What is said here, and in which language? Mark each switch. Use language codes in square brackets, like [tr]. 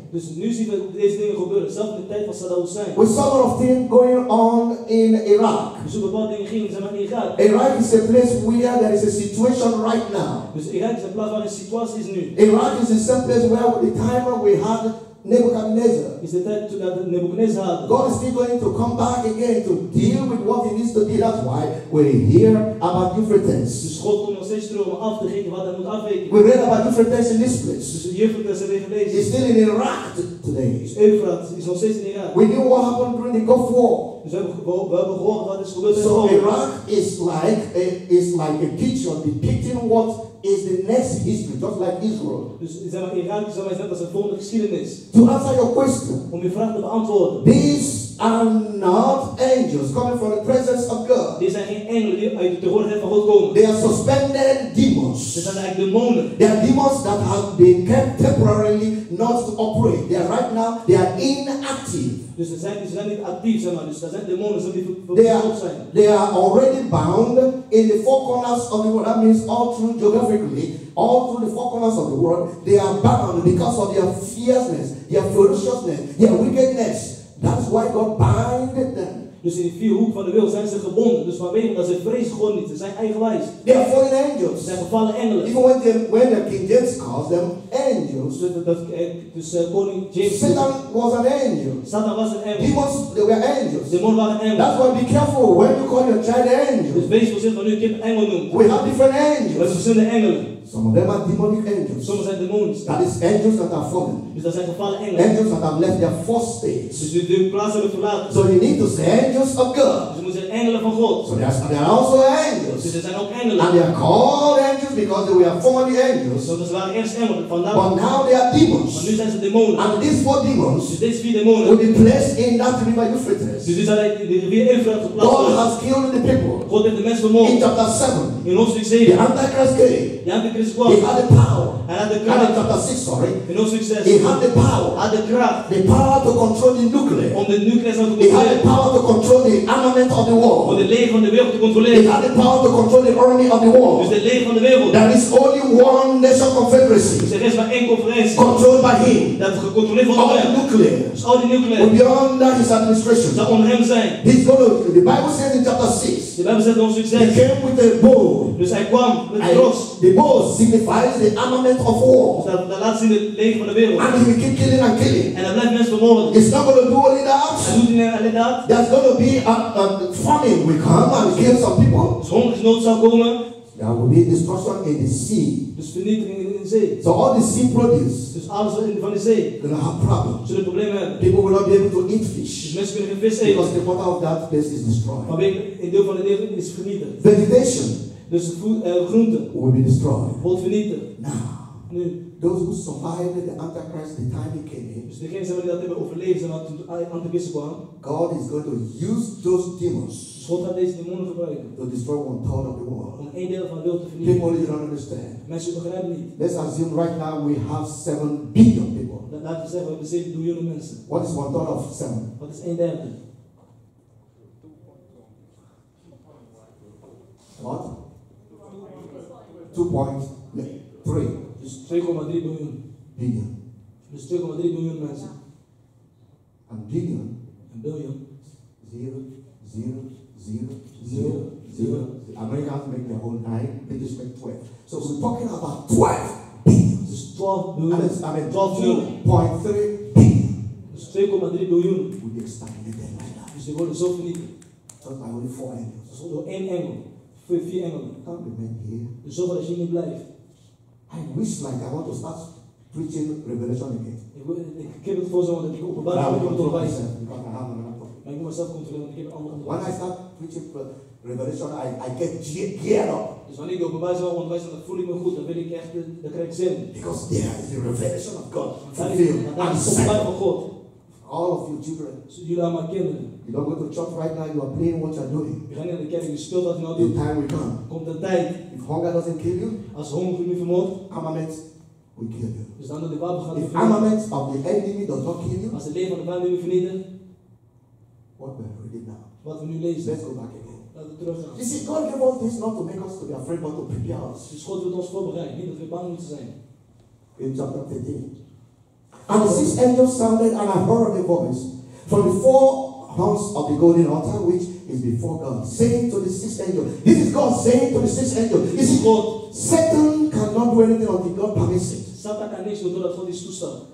[nl] Dus nu zien we deze dingen gebeuren, zelfs in de tijd van Saddam Hussein. [en] We saw a lot of things going on in Iraq. [nl] Dus op bepaalde dingen gingen ze naar Irak. [en] Iraq is a place where there is a situation right now. [nl] Dus Irak is een plaats waar de situatie is nu. [en] Iraq is the same place where the time we had Nebuchadnezzar. Is the time that Nebuchadnezzar had. God is still going to come back again to deal with what he needs to deal. That's why we're here about Euphrates. [nl] Dus God komt nog steeds terug om af te geven wat hij moet afweken. [en] We read about Euphrates in this place. [nl] Dus Euphrates heeft gelezen. [en] He's still in Iraq today. [nl] Dus Euphrates is nog steeds in Iraq. [en] We knew what happened during the Gulf War. [nl] Dus we hebben gehoord wat is gebeurd. [en] So Iraq is like a picture depicting what is the next history, just like Israel. [nl] Dus zeg maar, Iraq is net als een volgende geschiedenis. [en] To answer your question. [nl] Om je vraag te beantwoorden. [en] These are not angels coming from the presence of God. [nl] Deze zijn geen engelen die uit de tegenwoordigheid van God komen. [en] They are suspended demons. [nl] Ze zijn eigenlijk demonen. [en] They are demons that have been kept temporarily not to operate. They are right now, they are inactive. [nl] Dus ze zijn niet actief, zeg maar. Dus dat zijn demonen, zo die verbonden zijn. [en] They are already bound in the four corners of the world. That means all through geographically, all through the four corners of the world, they are bound because of their fierceness, their ferociousness, their wickedness. That's why God binded them. [nl] Dus in de vier hoeken van de wereld zijn ze gebonden. Dus vanwege dat ze vrezen God niet. Ze zijn eigenwijs. [en] They are fallen angels. [nl] Ze zijn gevallen engelen. [en] Even when the King James calls them angels. [nl] Dus koning James. [en] Satan was an angel. Satan was an angel. They were angels. [nl] Demon waren engels. [en] That's why be careful when you call your child angel. [nl] Dus wees voorzichtig wanneer je kind engel noemt. [en] We have different angels. [nl] We hebben verschillende engelen. [en] Some of them are demonic angels. Some are demons. That is angels that are fallen. [nl] Dus zijn gevallen engelen. [en] Angels that have left their first stage. [nl] Dus de plaats hebben verlaten. [en] So you need to say angels of God. [nl] Dus moeten engelen van God. [en] So they are also angels. [nl] Dus ze zijn ook engelen. [en] And they are called angels because they were formerly angels. [nl] Dus ze waren eerst engelen. Vandaar. [en] But now they are demons. [nl] Maar nu zijn ze demonen. [en] And these four demons. [nl] Dus deze vier demonen. [en] Will be placed in that river Euphrates. [nl] Dus die zijn in de rivier Euphrates geplaatst. [en] God has killed the people. [nl] God heeft de mensen vermoord. [en] In chapter 7. [nl] In hoofdstuk 7. [en] The Antichrist came. [nl] De Antichrist [en] was. He had the power. And had the craft. And in chapter 6, sorry. [nl] In hoofdstuk 6. [en] He had the power. Had the craft. The power to control the nuclear. [nl] Om de nucleaire te controleren. [en] He had the power to control the armament of the world. [nl] Om de leger van de wereld te controleren. [en] He had the power to control the army of the world. [nl] Dus de leger van de wereld. [en] There is only one nation confederacy. [nl] Dus er is maar één conferentie. [en] Controlled by him. [nl] Dat gecontroleerd wordt door hem. [en] All the nuclear. [nl] Dus al die nucleaire. [en] Beyond that his administration. [nl] Dat onder hem zijn. [en] He's going to, the Bible says in chapter 6. [nl] De Bijbel zegt in hoofdstuk 6. [en] He came with a bow. [nl] Dus hij kwam met een cross. [en] The bow signifies the armament of war. [nl] Dat laat zien het leger van de wereld. [en] And he will keep killing and killing. [nl] En dat blijft mensen vermoorden. [en] It's not going to do only that. [nl] Hij doet niet alleen dat. [en] There's going to be a famine will come and kill some people. [nl] Dus hongersnood zal komen. [en] There will be destruction in the sea. [nl] Dus vernietiging in de zee. [en] So all the sea produce. [nl] Dus alles in van de zee. [en] Going to have problems. [nl] Zullen problemen. [en] People will not be able to eat fish. [nl] Dus mensen kunnen geen vis eten. [en] Because the water of that place is destroyed. [nl] Maar een deel van de zee is vernietigd. [en] Vegetation. [nl] Dus groenten [en] will be destroyed. [nl] Wordt vernietigd. Nu. [en] Those who survived the Antichrist, the time he came in. [nl] Dus degenen die dat hebben overleefd en dat de Antichrist kwam. [en] God is going to use those demons. [nl] Dus God gaat deze demonen gebruiken. [en] To destroy one third of the world. [nl] Om een deel van de wereld te vernietigen. [en] People don't understand. [nl] Mensen begrijpen niet. [en] Let's assume right now we have 7 billion people. [nl] Laten we zeggen we hebben 7 miljard mensen. [en] What is one third of 7? [nl] Wat is 1/3? [en] What? 2.3. [nl] Dus 2,3 miljoen. [en] Billion. [nl] Dus 2,3 miljoen mensen. Een billion. Een biljoen. [en] Zero, zero, zero, zero, zero. Amerika had to make the whole 9, British make 12. So we're talking about 12 billion. [nl] Dus 12 miljoen. [en] I mean 2.3 billion. [nl] Dus 2,3 miljoen. [en] We'll be extended like that. [nl] Dus die worden zo verliep. Dat zijn [en] only 4 angels. [nl] Dus door 1 engel. Voor 4 engelen. Dus zorg dat je niet blijft. [en] I wish like I want to start preaching Revelation again. [nl] Ik heb het voor zo dat ik openbaring moet onderwijzen. Maar ik moet mezelf controleren, want ik heb andere onderwijs. [en] When I start preaching Revelation, I get geared up. [nl] Dus wanneer ik openbaring zou onderwijzen, dan voel ik me goed. Dan wil ik echt, dan krijg ik zin. [en] Because there is the revelation of God. Fulfilled. [nl] Dat is de openbaring van God. [en] All of your children. [nl] So jullie allemaal kinderen. [en] You don't go to church right now, you are playing what you are doing. [nl] Je gaat naar de kerk, je speelt wat je nou doet. [en] The time will come. [nl] Komt de tijd. [en] If hunger doesn't kill you. [nl] Als honger je niet vermoord. [en] Armament will kill you. [nl] Dus dan dat de wapen gaat vernietigen. [en] If armament of the enemy does not kill you. [nl] Als het leven van de wapen niet vernietigt. [en] What we are reading now. [nl] Wat we nu lezen. [en] Let's go back again. [nl] Laten we teruggaan. [en] You see, God gave all this not to make us to be afraid, but to prepare us. [nl] Dus God wil ons voorbereiden, niet dat we bang moeten zijn. [en] In chapter 13. And the 6 angels sounded, and I heard a voice from the 4 horns of the golden altar, which is before God, saying to the 6 angels. This is God saying to the 6 angels. This is God. Satan cannot do anything until God permits it. Satan can do that for this to start.